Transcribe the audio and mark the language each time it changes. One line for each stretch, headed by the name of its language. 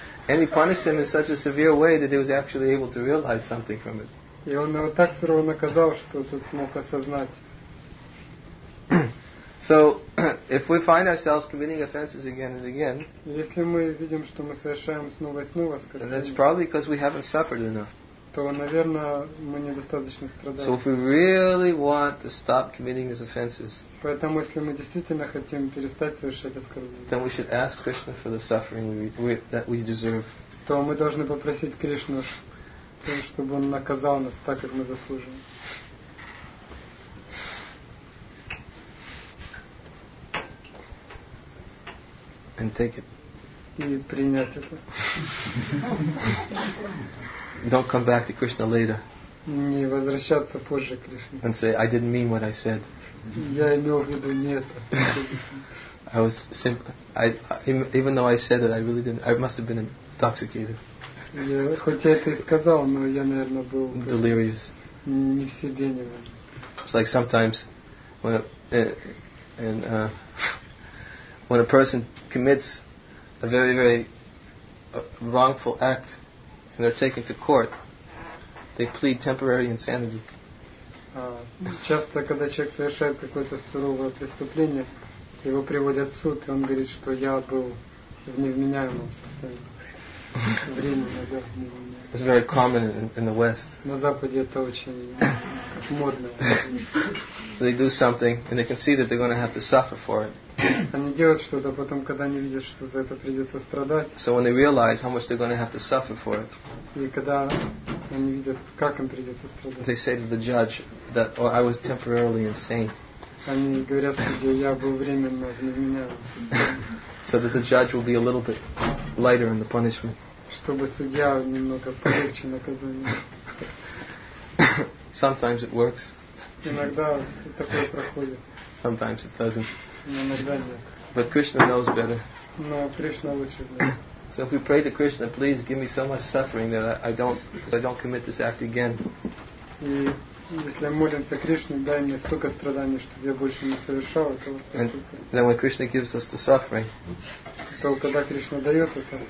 English: And he punished him in such a severe way that he was actually able to realize something from it.
Russian: И он его так сурово наказал, что тот смог осознать.
English: So, if we find ourselves committing offenses again and again,
Russian: если мы видим, что мы совершаем снова и снова оскорбления,
English: then that's probably because we haven't suffered enough.
Russian: То, наверное, мы недостаточно страдали.
English: So, if we really want to stop committing these offenses,
Russian: поэтому, если мы действительно хотим перестать совершать оскорбления,
English: then we should ask Krishna for the suffering that we deserve.
Russian: То мы должны попросить Кришну, чтобы он наказал нас так, как мы заслуживаем.
English: And take it.
Russian: И принять это.
English: Don't come back to Krishna later.
Russian: Не возвращаться позже к Кришне.
English: And say, I didn't mean what I said.
Russian: Я имел в виду не это.
English: I was simple. Even though I said it, I really didn't. I must have been intoxicated.
Russian: Я хоть это и сказал, но я, наверное, был.
English: Delirious.
Russian: Не в себе, не в.
English: It's like sometimes when a person commits a very, very wrongful act and they're taken to court, they plead temporary insanity.
Russian: Часто, когда человек совершает какое-то суровое преступление, его приводят в суд, и он говорит, что я был в невменяемом состоянии. Временно, да, в невменяемом.
English: It's very common in the West.
Russian: На Западе это очень модно.
English: They do something, and they can see that they're going to have to suffer for it.
Russian: Они делают что-то, потом, когда они видят, что за это придется страдать.
English: So when they realize how much they're going to have to suffer for it.
Russian: И когда они видят, как им придется страдать.
English: They say to the judge that, oh, I was temporarily insane.
Russian: Они говорят, что я был временно невменяемым.
English: So that the judge will be a little bit lighter in the punishment.
Russian: Чтобы судья немного полегче наказание.
English: Sometimes it works.
Russian: Иногда такое проходит.
English: Sometimes it doesn't.
Russian: Иногда нет.
English: But Krishna knows better.
Russian: Но Кришна лучше знает.
English: So if we pray to Krishna, please give me so much suffering that I don't commit this act again.
Russian: И если молимся Кришне, дай мне столько страданий, чтобы я больше не совершал этого.
English: And then when Krishna gives us the suffering,
Russian: то когда Кришна дает это,